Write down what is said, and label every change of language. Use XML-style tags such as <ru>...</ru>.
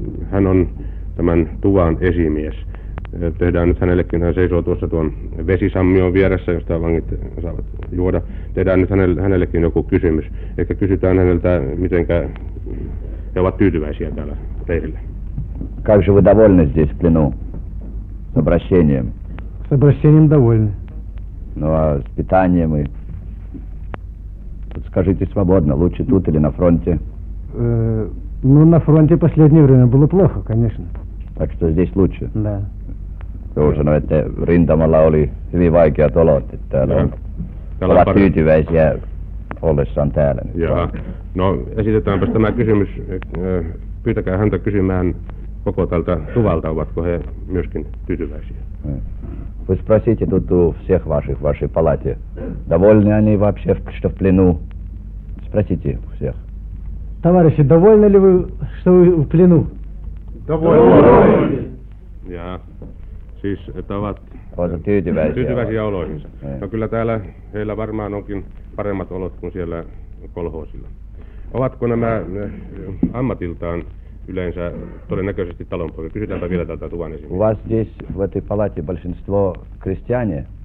<fi>Hän on tämän tuvan esimies. Tehdään nyt hänellekin, hän seisoo tuossa tuon vesisammion vieressä, josta vangit saavat juoda. Tehdään nyt hänellekin joku kysymys. Ehkä kysytään häneltä, mitenkä he ovat tyytyväisiä täällä leirillä.</fi> <ru>Как же вы довольны здесь, в плену? С обращением? С обращением довольны. Ну а с питанием и... Скажите свободно, лучше тут или на фронте? Ну, на фронте последнее время было плохо, конечно. Так что здесь лучше? Да.</ru> <fi>Juusano, että rintamalla oli hyvin vaikeat olot, että täällä ovat pari... tyytyväisiä ollessaan täällä. Jaha. No esitetäänpä tämä kysymys. Pyytäkää häntä kysymään koko tältä tuvalta, ovatko he myöskin tyytyväisiä.</fi> <ru>Вы спросите тут у всех ваших в вашей палате, довольны они вообще, что в плену? Спросите всех. Товарищи, довольны ли вы, что вы в плену? Довольны.</ru> <fi>Jaha. Siis, että ovat tyytyväisiä oloihinsa. No kyllä täällä heillä varmaan onkin paremmat olot kuin siellä kolhoosilla. Ovatko nämä ammatiltaan yleensä todennäköisesti talonpoikia? Kysytäänpä vielä tältä tuvan esim.</fi> <ru>У вас здесь в этой палате большинство крестьяне?</ru>